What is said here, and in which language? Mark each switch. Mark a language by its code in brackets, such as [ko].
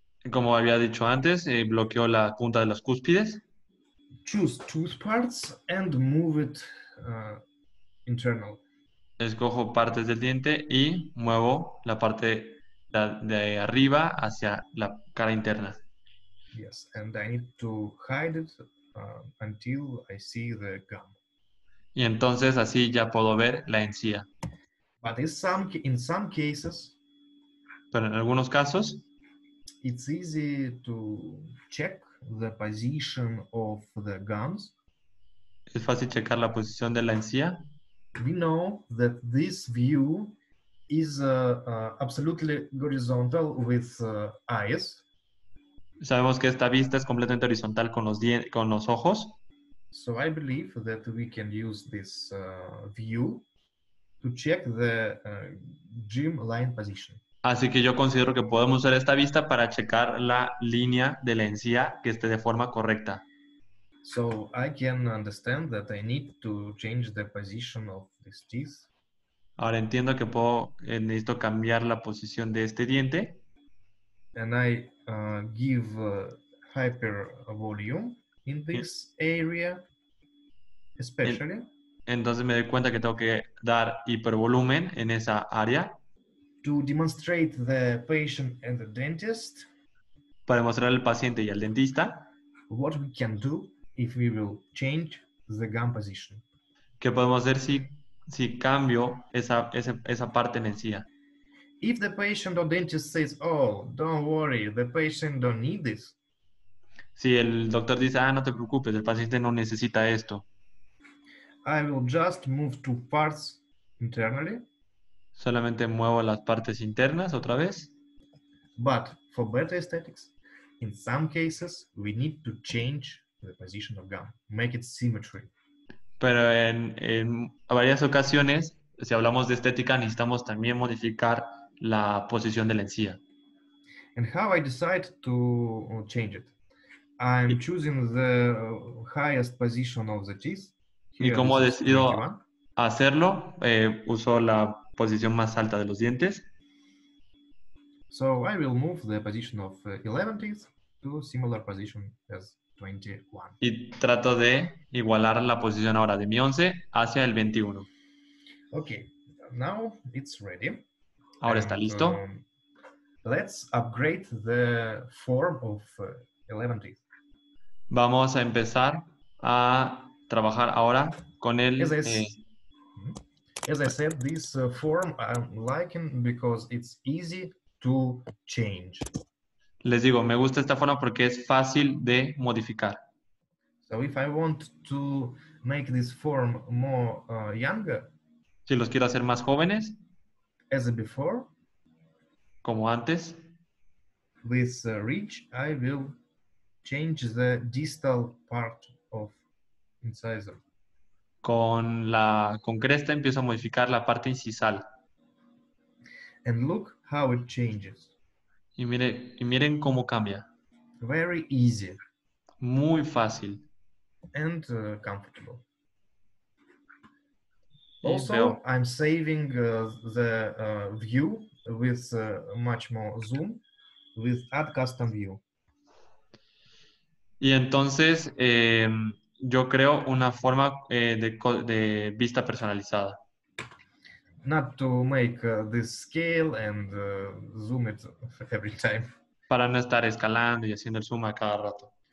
[es] Como había dicho antes, bloqueo la punta de las cúspides. [en] Choose tooth parts and move it internal. [es] Escojo partes del diente y muevo la parte de arriba hacia la cara interna. [en] Yes, and I need to hide it until I see the gum. [es] Y entonces así ya puedo ver la encía. [en] But in some cases, [es] pero en algunos casos, [en] it's easy to check the position of the gums. [es] Es fácil checar la posición de la encía. [en] We know that this view is absolutely horizontal with eyes. [es] Sabemos que esta vista es completamente horizontal con los ojos. [en] So I believe that we can use this view to check the gym line position. [es] Así que yo considero que podemos usar esta vista para checar la línea de la encía que esté de forma correcta. [en] So I can understand that I need to change the position of this teeth. [es] Ahora entiendo que puedo necesito cambiar la posición de este diente. [en] And I give hyper volume in this area, especially. [es] Entonces me doy cuenta que tengo que dar hipervolumen en esa área. [en] To demonstrate the patient and the dentist. [es] Para demostrar al paciente y al dentista. [en] What we can do if we will change the gum position. [es] ¿Qué podemos hacer si cambio esa parte en encía? [en] If the patient or dentist says, oh, don't worry, the patient don't need this. [es] Si el doctor dice, no te preocupes, el paciente no necesita esto. [en] I will just move two parts internally. [es] Solamente muevo las partes internas otra vez. [en] But for better aesthetics, in some cases, we need to change the position of gum. Make it symmetry. [es] Pero en varias ocasiones, si hablamos de estética, necesitamos también modificar la posición de la encía. [en] And how I decide to change it? I'm choosing the highest position of the teeth. Here, [es] ¿y cómo decido hacerlo? Uso la posición más alta de los dientes. [en] So I will move the position of 11 teeth to a similar position as 21. [es] Y trato de igualar la posición ahora de mi 11 hacia el 21. [en] Okay, now it's ready. [es] Ahora está listo. [en] Let's upgrade the form of 11 teeth. [es] Vamos a empezar a trabajar ahora con el... [en] As I said, this form I'm liking because it's easy to change. [es] Les digo, me gusta esta forma porque es fácil de modificar. [en] So if I want to make this form more younger, [es] si los quiero hacer más jóvenes, [en] as before, [es] como antes, [en] with reach, I will change the distal part of incisor. [es] Con la cresta empiezo a modificar la parte incisal. [en] And look how it changes. [es] Y miren cómo cambia. [en] Very easy. [es] Muy fácil. [en] And comfortable. Also, I'm saving the view with much more zoom with add custom view. [es] Y entonces yo creo una forma de vista personalizada. [en] Not to make this scale and zoom it every time. [es] Para no estar escalando y haciendo el zoom a cada rato.